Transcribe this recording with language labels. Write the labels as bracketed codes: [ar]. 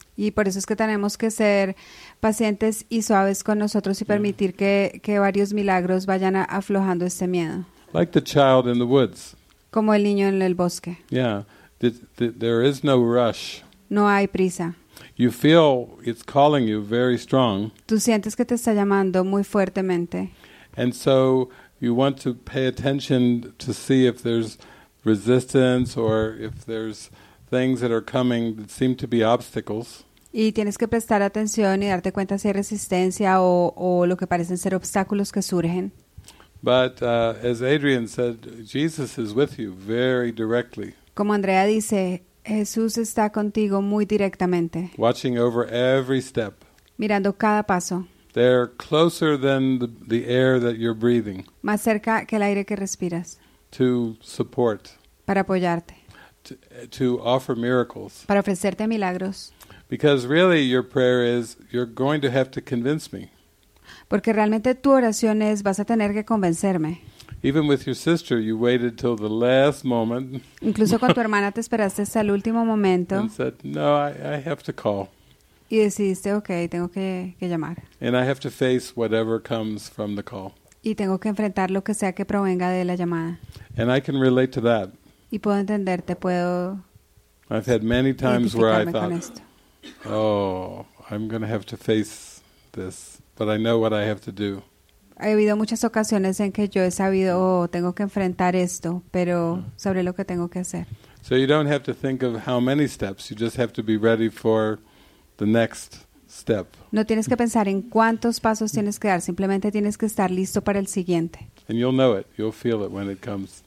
[es] Y por eso es que tenemos que ser pacientes y suaves con nosotros y permitir que varios milagros vayan aflojando este miedo. [en] Like the child in the woods. [es] Como el niño en el bosque. [en] Yeah, there is no rush. [es] No hay prisa. [en] You feel it's calling you very strong. [es] Tú sientes que te está llamando muy fuertemente. [en] And so you want to pay attention to see if there's resistance or if there's things that are coming that seem to be obstacles. [es] Y tienes que prestar atención y darte cuenta si hay resistencia o lo que parecen ser obstáculos que surgen. [en] But as Adrian said, Jesus is with you very directly. [es] Como Andrea dice, Jesús está contigo muy directamente. [en] Watching over every step. [es] Mirando cada paso. [en] They're closer than the air that you're breathing. [es] Más cerca que el aire que respiras. [en] To support. [es] Para apoyarte. [en] To offer miracles. [es] Para ofrecerte milagros. [en] Because really your prayer is, you're going to have to convince me. [es] Porque realmente tu oración es, vas a tener que convencerme. [en] Even with your sister, you waited till the last moment. [es] Incluso con tu hermana te esperaste hasta el último momento. [en] And said, no, I have to call. [es] Y decidiste, okay, tengo que llamar. [en] And I have to face whatever comes from the call. [es] Y tengo que enfrentar lo que sea que provenga de la llamada. [en] And I can relate to that. [es] Y puedo entenderte, puedo. [en] I've had many times where I thought, oh, I'm going to have to face this. But I know what I have to do. [es] Ha habido muchas ocasiones en que yo he sabido, oh, tengo que enfrentar esto, pero sobre lo que tengo que hacer. [en] So you don't have to think of how many steps, you just have to be ready for the next step. [es] No tienes que pensar en cuántos pasos tienes que dar, simplemente tienes que estar listo para el siguiente. [en] And you'll know it, you'll feel it when it comes.